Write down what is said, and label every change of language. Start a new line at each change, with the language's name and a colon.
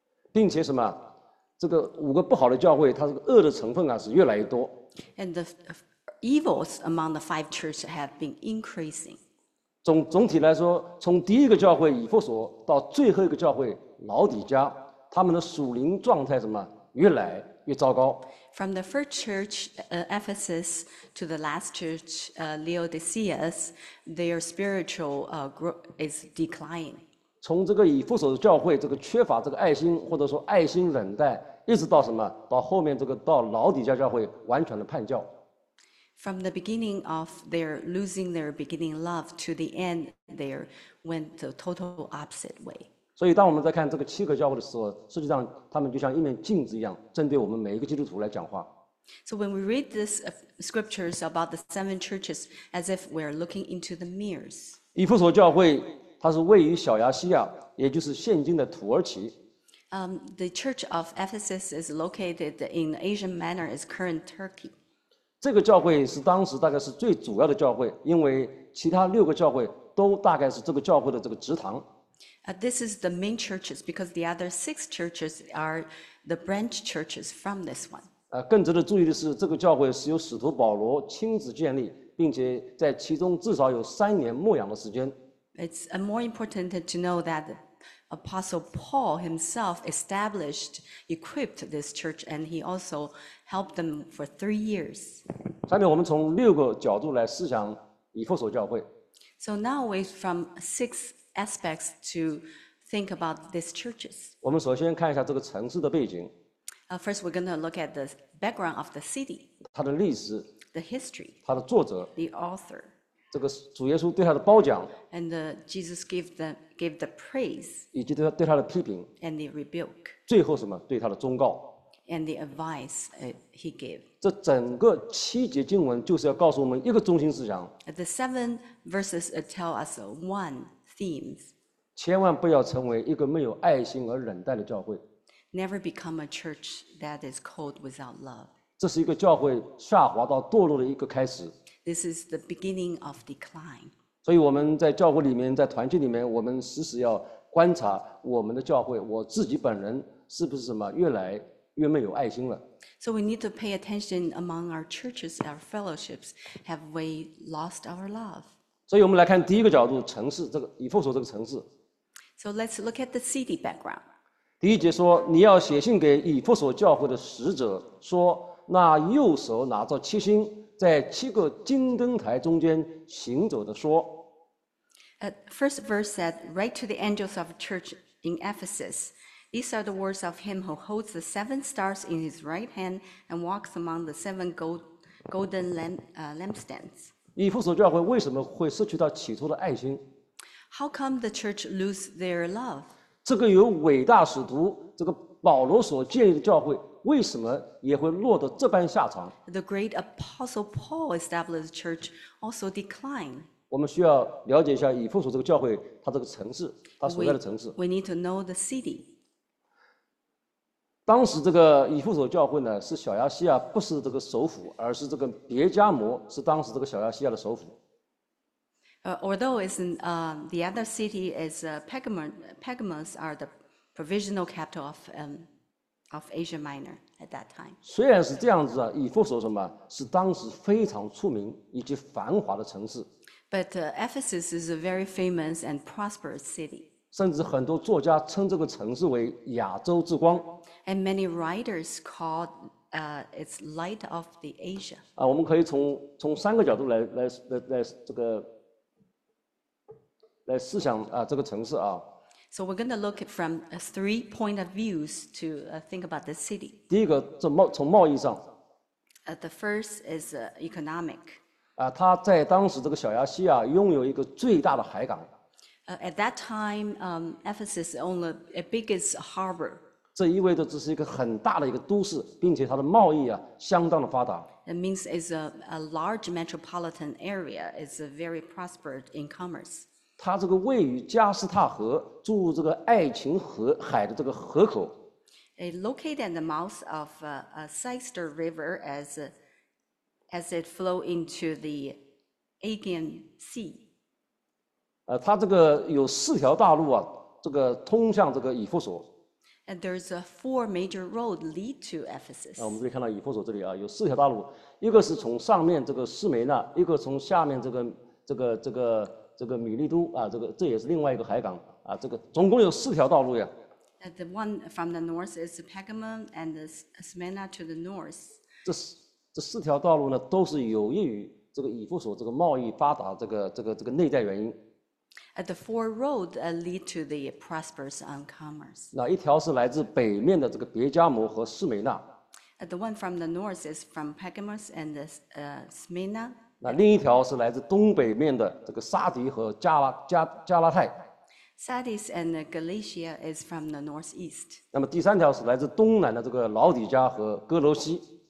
Chinese: 并且什么？这个五个不好的教会，它这个恶的成分啊是越来越多。
English: And the evils among the five churches have been increasing.
Chinese: 总体来说，从第一个教会以弗所到最后一个教会老底家，他们的属灵状态什么越来越糟糕。
English: From the first church, Ephesus, to the last church, Laodicea, their spiritual growth is declining.
Chinese: 从这个以弗所的教会，这个缺乏这个爱心，或者说爱心冷淡，一直到什么？到后面这个到老底家教会完全的叛教。
English: From the beginning of their losing their beginning love to the end, they went the total opposite way.
Chinese: 所以当我们在看这个七个教会的时候，实际上他们就像一面镜子一样，针对我们每一个基督徒来讲话。
English: So when we read these scriptures about the seven churches, as if we are looking into the mirrors.
Chinese: 以弗所教会它是位于小亚细亚，也就是现今的土耳其。
English: The church of Ephesus is located in Asian Minor, is current Turkey.
Chinese: 这个教会是当时大概是最主要的教会，因为其他六个教会都大概是这个教会的这个职堂。
English: This is the main churches because the other six churches are the branch churches from this one.
Chinese: 更值得注意的是，这个教会是由使徒保罗亲自建立，并且在其中至少有三年牧养的时间。
English: It's more important to know that. Apostle Paul himself established, equipped this church, and he also helped them for 3 years.
Chinese: 下面我们从六个角度来思想以弗所教会。
English: So now we from six aspects to think about these churches.
Chinese: 我们首先看一下这个城市的背景。
English: First, we're going to look at the background of the city.
Chinese: 它的历史。
English: The history.
Chinese: 它的作者。
English: The author.
Chinese: 这个主耶稣对他的褒奖。
English: And Jesus gave the praise,
Chinese: 以及对他的批评
English: and the rebuke,
Chinese: 最后什么对他的忠告
English: and the advice he gave.
Chinese: 这整个七节经文就是要告诉我们一个中心思想
English: The seven verses tell us one theme.
Chinese: 千万不要成为一个没有爱心而冷淡的教会
English: Never become a church that is cold without love.
Chinese: 这是一个教会下滑到堕落的一个开始
English: This is the beginning of decline.
Chinese: 所以我们在教会里面，在团契里面，我们时时要观察我们的教会，我自己本人是不是什么越来越没有爱心了。
English: So we need to pay attention among our churches, our fellowships. Have we lost our love?
Chinese: 所以我们来看第一个角度，城市这个以弗所这个城市。
English: So let's look at the city background.
Chinese: 第一节说，你要写信给以弗所教会的使者，说那右手拿着七星。在七个金灯台中间行走的说
English: First verse said, write to the angels of church in Ephesus. These are the words of him who holds the seven stars in his right hand and walks among the seven golden lampstands.
Chinese: 以弗所教会为什么会失去到起初的爱心
English: How come the church lose their love?
Chinese: 这个由伟大使徒这个保罗所建立的教会为什么也会落得这般下场
English: ？The great apostle Paul established church also declined.
Chinese: 我们需要了解一下以弗所这个教会，它这个城市，它所在的城市。
English: We need to know the city.
Chinese: 当时这个以弗所教会呢，是小亚细亚不是这个首府，而是这个别加摩是当时这个小亚细亚的首府。
English: Although it's in the other city is Pergamos are the provisional capital of Asia Minor at that time.
Chinese: 虽然是这样子啊，以弗所什么是当时非常出名以及繁华的城市。
English: But Ephesus is a very famous and prosperous city.
Chinese: 甚至很多作家称这个城市为亚洲之光。
English: And many writers called its light of the Asia.
Chinese: 我们可以从三个角度来这个来思想这个城市啊。
English: So we're going to look from three point of views to think about the city.
Chinese: 第一个从贸易上。
English: The first is economic.
Chinese: 它在当时这个小亚细亚拥有一个最大的海港。
English: At that time, Ephesus owned the biggest harbor.
Chinese: 这意味着这是一个很大的一个都市，并且它的贸易相当的发达。
English: It means it's a large metropolitan area. It's very prosperous in commerce.
Chinese: 它这个位于加斯塔河注入这个爱琴河海的这个河口。
English: It located at the mouth of a Sister River as it flow into the Aegean Sea.
Chinese: 它这个有四条大路啊，这个通向这个以弗所。
English: And there's a four major road lead to Ephesus.
Chinese: 我们可以看到以弗所这里啊，有四条大路，一个是从上面这个示梅那，一个从下面这个米利都啊，这也是另外一个海港啊，这个总共有四条道路呀。
English: The one from the north is Pergamon and the Smyrna to the north.
Chinese: 这四条道路呢，都是有益于这个以弗所这个贸易发达这个内在原因。
English: At the four roads lead to the prosperous commerce.
Chinese: 那一条是来自北面的这个别加摩和士美那。
English: The one from the north is from Pergamon and the Smyrna.
Chinese: 那另一条是来自东北面的这个撒迪和加拉泰。
English: Sardis and Galatia is from the northeast.
Chinese: 那么第三条是来自东南的这个老底加和哥罗西。